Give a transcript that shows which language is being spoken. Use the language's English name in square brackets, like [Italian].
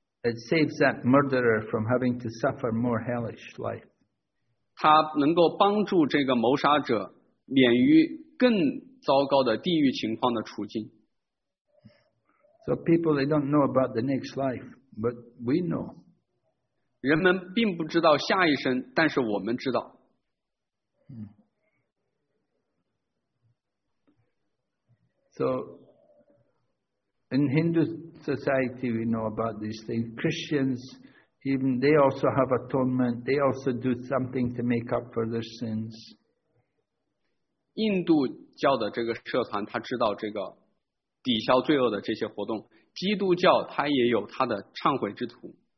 [English] It saves that murderer from having to suffer more hellish life. [Chinese] 他能够帮助这个谋杀者免于更糟糕的地狱情况的处境。 [English] So people, they don't know about the next life, but we know. [Chinese] 人们并不知道下一生，但是我们知道。 So. [English] In Hindu society, we know about these things. Christians, even they also have atonement. They also do something to make up for their sins. [Chinese] 印度教的这个社团，他知道这个抵消罪恶的这些活动。基督教他也有他的忏悔之徒。